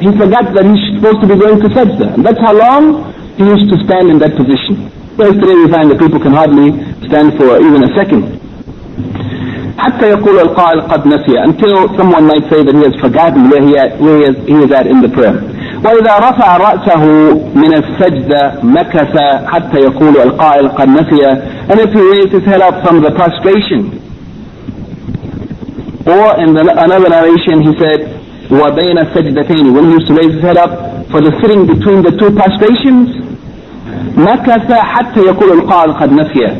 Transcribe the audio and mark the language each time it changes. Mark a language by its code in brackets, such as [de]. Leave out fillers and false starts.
[en] He forgot that he's supposed to be going to sajda. That's how long he used to stand in that position. Whereas today we find that people can hardly stand for even a second. [ar] حتى يقول القائل قد نسي. [en] Until someone might say that he has forgotten where he is at in the prayer. [ar] وإذا رفع رأسه من السجدة مكث حتى يقول القائل قد نسي. [en] And if he raised his head up from the prostration. Or in another narration he said [ar] وبين السجدتين. [en] When he used to raise his head up for the sitting between the two prostrations. [ar] مَكَثَ حَتَّى يَقُولُ الْقَالِ قَدْ نَفِيَ.